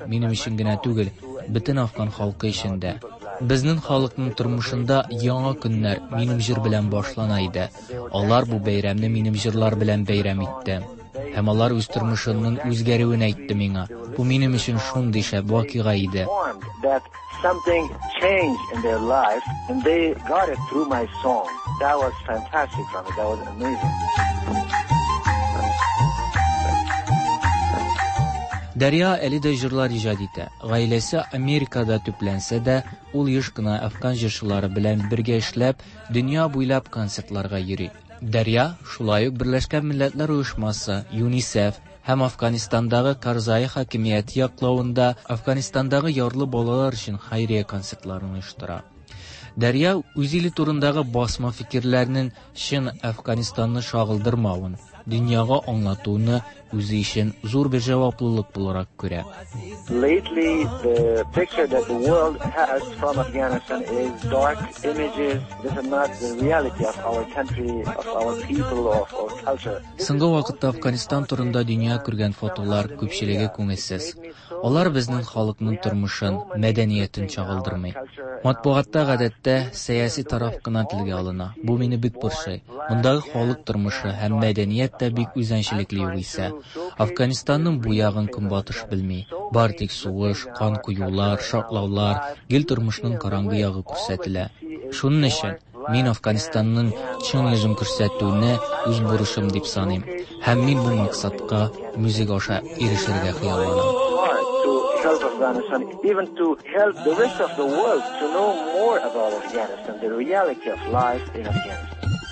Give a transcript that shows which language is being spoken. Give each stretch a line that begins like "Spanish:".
Tatar: Минем өчен генә түгел, бөтен афган халкы өчен дә. Безнең халыкның тормышында яңа көннәр минем җыр белән башлана иде. Алар бу бәйрәмне минем җырлар белән бәйрәм итте. Һәм алар үз тормышының үзгәрүен әйтте миңа. Бу минем өчен шундый шәп вакыйга иде.
English: Something changed in their life and they got it through my song. That was fantastic for me. That was amazing.
Tatar: Дария әле дә җырлар иҗат итә. Гаиләсе Америкада төпләнсә дә, ул еш кына афган җырчылары белән бергә эшләп, дөнья буйлап концертларга йөри. Дария шулай ук Берләшкән Милләтләр Оешмасы, ЮНИСЕФ һәм Афганистандагы Карзай хакимияте яклауында Афганистандагы ярлы балалар өчен хәйрия концертларын оештыра. Дария үз иле турындагы басма фикерләрнең чын Афганистанны шагылдырмавын, дөньяга аңлатуыны үзе өчен зур бер җаваплылык буларак күрә.
English: Lately the picture that the world has from Afghanistan is dark images. This is not the reality of our country, of our people, of our culture.
Tatar: Соңгы вакытта Афганистан турында дөнья күргән фотолар күпчелеге күңелсез. Алар безнең халыкның тормышын, мәдәниятен чагылдырмый. Матбугатта гадәттә сәяси тараф кына телгә алына. Бу мине бик борчый. Мондагы халык тормышы һәм мәдәният тә бик үзенчәлекле юлыйса. Афганистанның бу ягын кем батыш белми. Бар тик сугыш, кан куюлар, шаклаулар, гел тормышның караңгы ягы күрсәтелә. Шуның өчен мин Афганистанның чын үзем күрсәтүенә үз бурычым дип саныйм. Һәм мин бу максатка музыка аша ирешергә хыялланам.
English: Even to help the rest of the world to know more about Afghanistan, the reality of life in Afghanistan.